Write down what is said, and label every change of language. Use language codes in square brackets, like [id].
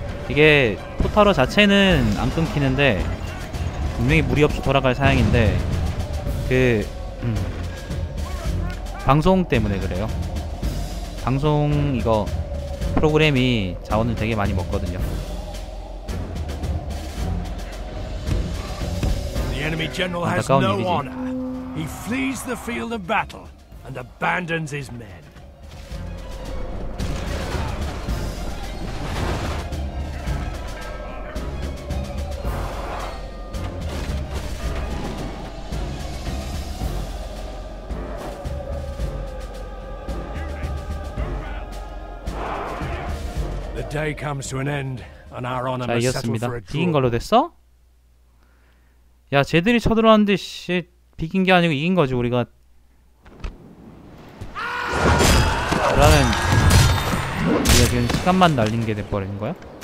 [ko] 이게 포타로 자체는 안 끊기는데 분명히 무리 없이 돌아갈 사양인데 그 방송 때문에 그래요. 방송 이거 프로그램이 자원을 되게 많이 먹거든요. [en] Enemy general has no honor. He flees the field of battle and abandons his men. The day comes to an end, and our honor must settle for a draw. [ko] 이긴 걸로 됐어? 야, 쟤들이 쳐들어왔는데 씨, 비긴 게 아니고 이긴 거지 우리가. 그러면 우리가 지금 시간만 날린 게 돼버린 거야?